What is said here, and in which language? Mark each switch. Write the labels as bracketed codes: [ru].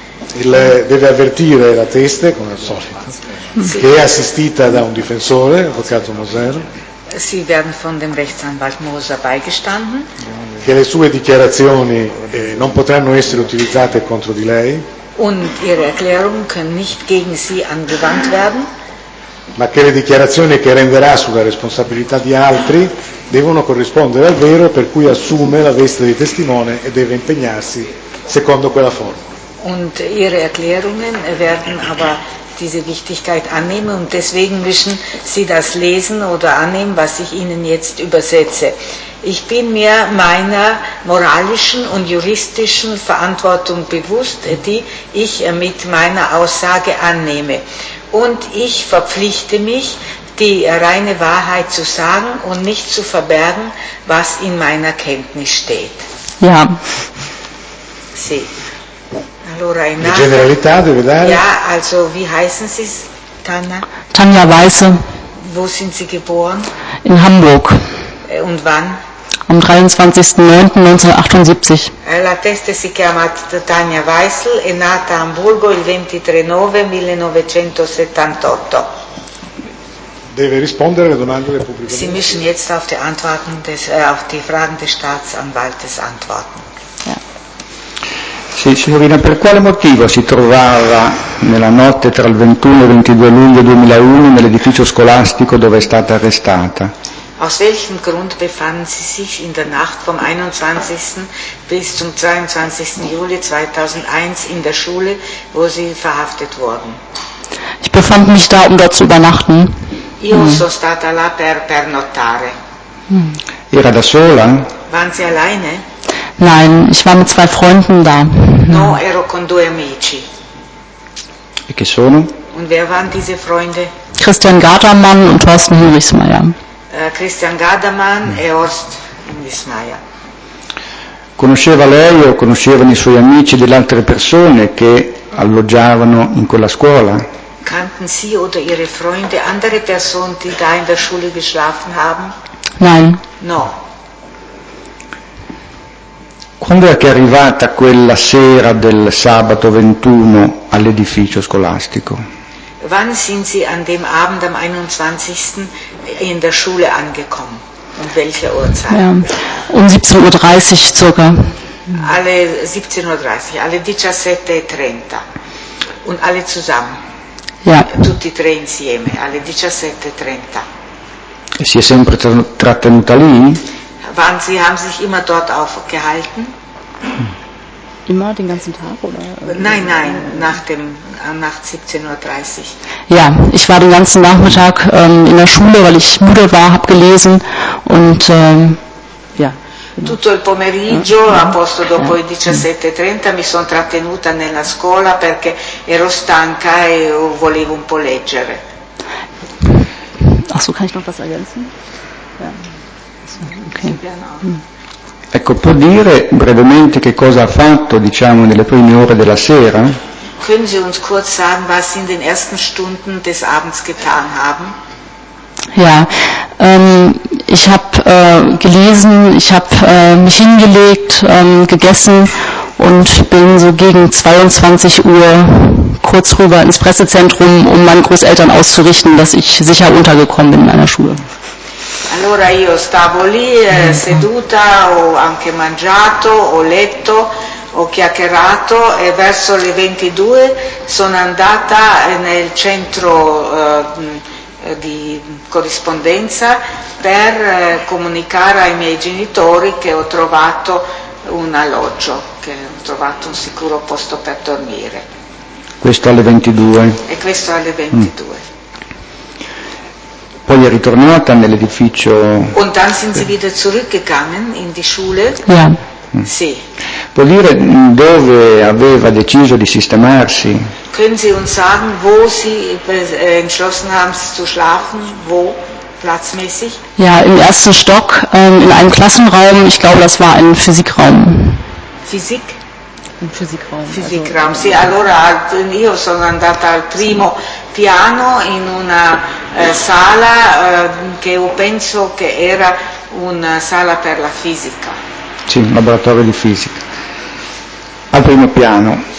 [it] deve avvertire la teste, come al solito, che è assistita da un difensore, l'avvocato Moser. [de] Sie werden von dem Rechtsanwalt Moser beigestanden. [it] Che le sue dichiarazioni non potranno essere utilizzate contro di lei. [de] Und ihre Erklärungen können nicht gegen sie angewandt werden. [it] Ma che le dichiarazioni che renderà sulla responsabilità di altri devono corrispondere al vero, per cui assume la veste di testimone e deve impegnarsi secondo quella forma. [de] Und ihre Erklärungen werden aber diese Wichtigkeit annehmen und deswegen müssen Sie das lesen oder annehmen, was ich Ihnen jetzt übersetze. Ich bin mir meiner moralischen und juristischen Verantwortung bewusst, die ich mit meiner Aussage annehme. Und ich verpflichte mich, die reine Wahrheit zu sagen und nicht zu verbergen, was in meiner Kenntnis steht. Ja. [it] Sì. Allora, in die Generalità deve dare. [de] Ja, also wie heißen Sie, Tanja? Tanja Weiße. Wo sind Sie geboren? In Hamburg. Und wann? Am 23.09.1978. [it] La testa si chiama Tanja Weißel, è nata a Hamburgo il 23.09.1978. Deve rispondere alle domande del pubblico. [de] Sie müssen jetzt auf die Antworten des, auf die Fragen des Staatsanwaltes antworten. Ja. [it] Sì, signorina, per quale motivo si trovava nella notte tra il 21 e il 22 luglio 2001 nell'edificio scolastico dove è stata arrestata? [de] Aus welchem Grund befanden Sie sich in der Nacht vom 21. bis zum 22. Juli 2001 in der Schule, wo Sie verhaftet wurden? Ich befand mich da, um dort zu übernachten. [it] Io sono stata là per pernottare. Era da sola? [de] Waren Sie alleine? Nein, ich war mit zwei Freunden da. [it] No, ero con due amici. E che sono? [de] Und wer waren diese Freunde? Christian Gardermann und Thorsten Hinrichsmeier. [it] Christian Gardermann e Horst Hinrichsmeier. Conosceva lei o conoscevano i suoi amici delle altre persone che alloggiavano in quella scuola? [de] Kannten Sie oder Ihre Freunde andere Personen, die da in der Schule geschlafen haben? Nein. [it] No. Quando è che è arrivata quella sera del sabato 21 all'edificio scolastico? [de] Wann sind Sie an dem Abend am 21. in der Schule angekommen? Um welche Uhrzeit? Ja, um 17.30 Uhr circa. [it] Alle 17.30 Uhr, alle 17.30 Uhr. [de] Und alle zusammen? Ja. [it] Tutti tre insieme, alle 17.30 Uhr. E si è sempre trattenuta lì? [de] Waren Sie, haben Sie sich immer dort aufgehalten? Immer den ganzen Tag, oder? Nein, nein, nach 17.30 Uhr. Ja, ich war den ganzen Nachmittag in der Schule, weil ich müde war, habe gelesen und ja. [it] Tutto il pomeriggio, a posto dopo le 17.30, mi sono trattenuta nella scuola perché ero stanca e volevo un po' leggere. [de] Ach so, kann ich noch was ergänzen? Ja. Okay. [it] Ecco, può dire brevemente che cosa ha fatto, diciamo, nelle prime ore della sera? [de] Können Sie uns kurz sagen, was Sie in den ersten Stunden des Abends getan haben? Ja, ich habe gelesen, ich habe mich hingelegt, gegessen und bin so gegen 22 Uhr kurz rüber ins Pressezentrum, um meinen Großeltern auszurichten, dass ich sicher untergekommen bin in meiner Schule. [it] Allora io stavo lì seduta, ho anche mangiato, ho letto, ho chiacchierato e verso le 22 sono andata nel centro di corrispondenza per comunicare ai miei genitori che ho trovato un alloggio, che ho trovato un sicuro posto per dormire. Questo alle 22? E questo alle 22. Mm. Poi è ritornata nell'edificio. [de] Und dann sind sie wieder zurückgegangen in die Schule. Ja. [it] Sì. Può dire dove aveva deciso di sistemarsi? [de] Können Sie uns sagen, wo Sie entschlossen haben zu schlafen, wo platzmäßig? Ja, im ersten Stock, in einem Klassenraum. Ich glaube, das war ein Physikraum. Physik? Im Physikraum. Physikraum. [it] Sì, allora io sono andata al primo piano in una sala che io penso che era una sala per la fisica. Sì, laboratorio di fisica. Al primo piano.